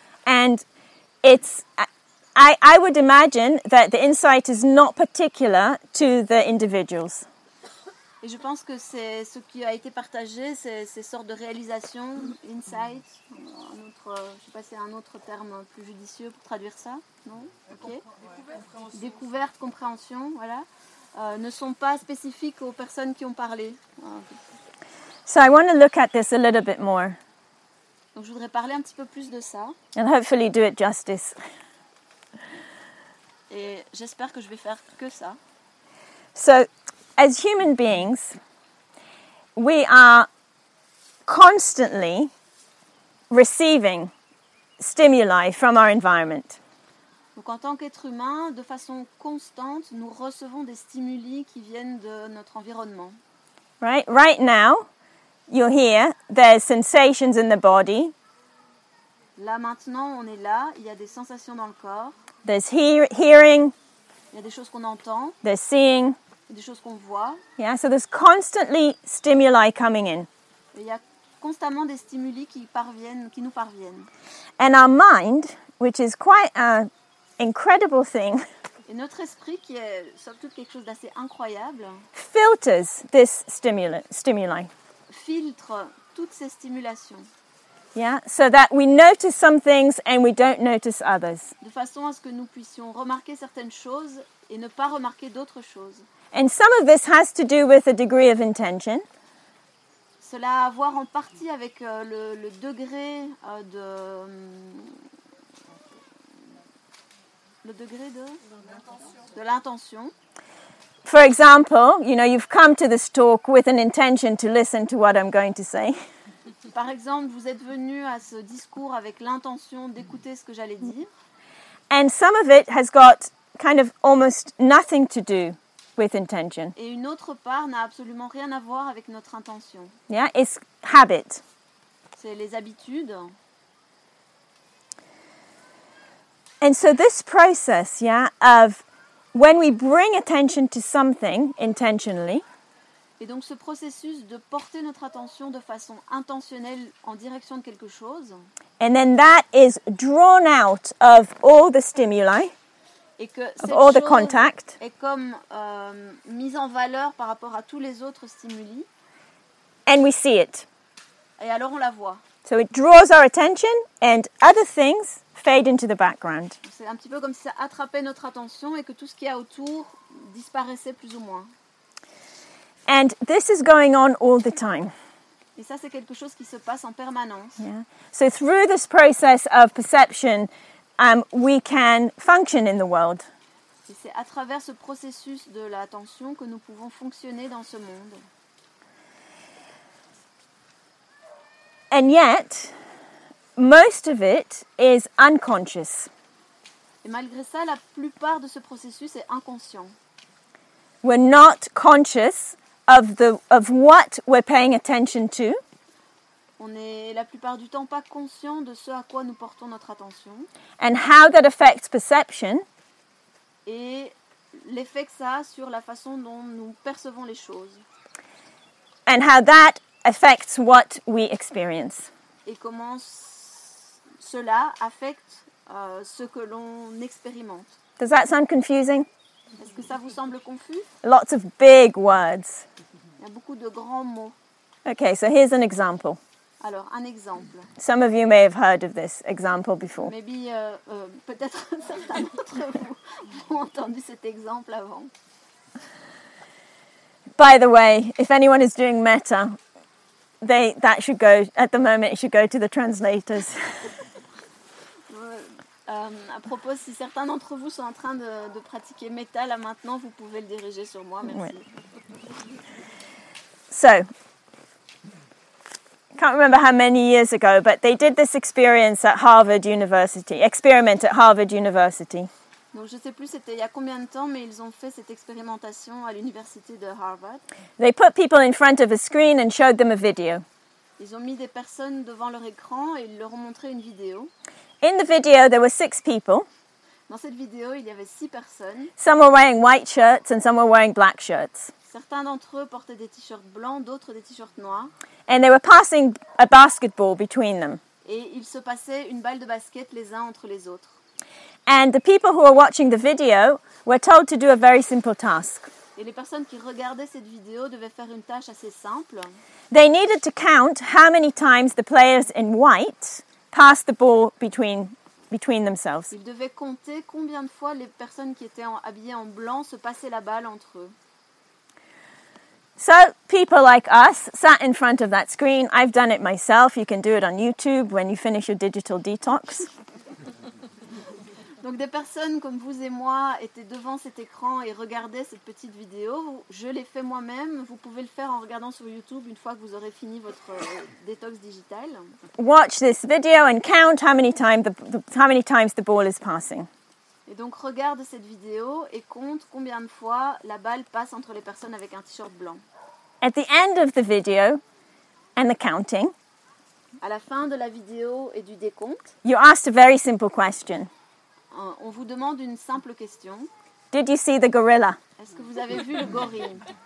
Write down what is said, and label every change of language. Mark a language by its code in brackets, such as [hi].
[en] And it's I would imagine that the insight is not particular to the individuals. [fr] Et je pense que c'est ce qui a été partagé, c'est ces sortes de réalisations, insight, un autre terme plus judicieux pour traduire ça, non? OK. Découverte, compréhension, voilà. Ne sont pas spécifiques aux personnes qui ont parlé. [en] So I want to look at this a little bit more. [fr] Donc je voudrais parler un petit peu plus de ça. [en] And hopefully do it justice. [fr] Et j'espère que je vais faire que ça. [en] So, as human beings, we are constantly receiving stimuli from our environment. [fr] Donc en tant qu'être humain, de façon constante, nous recevons des stimuli qui viennent de notre environnement. [en] Right now, you're here, there's sensations in the body. [fr] Là maintenant, on est là, il y a des sensations dans le corps. [en] There's hearing. [fr] Il y a des choses qu'on entend. [en] There's seeing. [fr] Il y a des choses qu'on voit. [en] Yeah, so there's constantly stimuli coming in. [fr] Et il y a constamment des stimuli qui nous parviennent. [en] And our mind, which is quite an incredible thing. [fr] Et notre esprit, qui est somme toute quelque chose d'assez incroyable, [en] filters this stimuli. [fr] Filtre toutes ces stimulations. [en] Yeah, so that we notice some things and we don't notice others. [fr] De façon à ce que nous puissions remarquer certaines choses et ne pas remarquer d'autres choses. [en] And some of this has to do with a degree of intention. [fr] Cela a à voir en partie avec le degré de le degré de l'intention. [en] For example, you know, you've come to this talk with an intention to listen to what I'm going to say. [fr] Par exemple, vous êtes venu à ce discours avec l'intention d'écouter ce que j'allais dire. [en] And some of it has got kind of almost nothing to do with intention. [fr] Et une autre part n'a absolument rien à voir avec notre intention. [en] Yeah, it's habit. [fr] C'est les habitudes. [en] And so this process, yeah, of when we bring attention to something intentionally. [fr] Et donc ce processus de porter notre attention de façon intentionnelle en direction de quelque chose. [en] And then that is drawn out of all the stimuli. [fr] Et que [en] of all the contact. [fr] Est comme mise en valeur par rapport à tous les autres stimuli. [en] And we see it. [fr] Et alors on la voit. [en] So it draws our attention and other things fade into the background. [fr] C'est un petit peu comme si ça attrapait notre attention et que tout ce qu'il y a autour disparaissait plus ou moins. [en] And this is going on all the time. [fr] Et ça, c'est quelque chose qui se passe en permanence. Yeah. [en] So through this process of perception, we can function in the world. [fr] Et c'est à travers ce processus de l'attention que nous pouvons fonctionner dans ce monde. [en] And yet, most of it is unconscious. [fr] Et malgré ça, la plupart de ce processus est inconscient. [en] We're not conscious of the of what we're paying attention to. [fr] On est la plupart du temps pas conscient de ce à quoi nous portons notre attention. [en] And how that affects perception. [fr] Et l'effet que ça a sur la façon dont nous percevons les choses. [en] And how that affects what we experience. [fr] Et comment cela affecte ce que l'on expérimente. [en] Does that sound confusing? [fr] Est-ce que ça vous semble confus? [en] Lots of big words. [fr] Il y a beaucoup de grands mots. [en] Okay, so here's an example. [fr] Alors, un exemple. [en] Some of you may have heard of this example before. Maybe, [fr] peut-être certains d'entre vous ont entendu cet exemple avant. [en] By the way, if anyone is doing meta, that should go, at the moment, it should go to the translators. [fr] À propos, si certains d'entre vous sont en train de pratiquer méta, là maintenant, vous pouvez le diriger sur moi, merci. Ouais. [en] So, I can't remember how many years ago, but they did this experience at Harvard University, experiment at Harvard University. [fr] Donc, je ne sais plus c'était il y a combien de temps, mais ils ont fait cette expérimentation à l'université de Harvard. [en] They put people in front of a screen and showed them a video. [fr] Ils ont mis des personnes devant leur écran et ils leur ont montré une vidéo. [en] In the video, there were six people. [fr] Dans cette vidéo, il y avait six personnes. [en] Some were wearing white shirts and some were wearing black shirts. [fr] Certains d'entre eux portaient des t-shirts blancs, d'autres des t-shirts noirs. [en] And they were passing a basketball between them. [fr] Et ils se passaient une balle de basket les uns entre les autres. [en] And the people who were watching the video were told to do a very simple task. [fr] Et les personnes qui regardaient cette vidéo devaient faire une tâche assez simple. [en] They needed to count how many times the players in white passed the ball between themselves. [fr] Ils devaient compter combien de fois les personnes qui étaient habillées en blanc se passaient la balle entre eux. [en] So, people like us sat in front of that screen. I've done it myself. You can do it on YouTube when you finish your digital detox. [fr] Donc des personnes comme vous et moi étaient devant cet écran et regardaient cette petite vidéo. Je l'ai fait moi-même. Vous pouvez le faire en regardant sur YouTube une fois que vous aurez fini votre détox digital. [en] Watch this video and count how many times the ball is passing. [fr] Et donc regarde cette vidéo et compte combien de fois la balle passe entre les personnes avec un t-shirt blanc. [en] At the end of the video and the counting. [fr] À la fin de la vidéo et du décompte. [en] You asked a very simple question. [fr] On vous demande une simple question. [en] Did you see the gorilla? [fr] Est-ce que vous avez vu le gorille?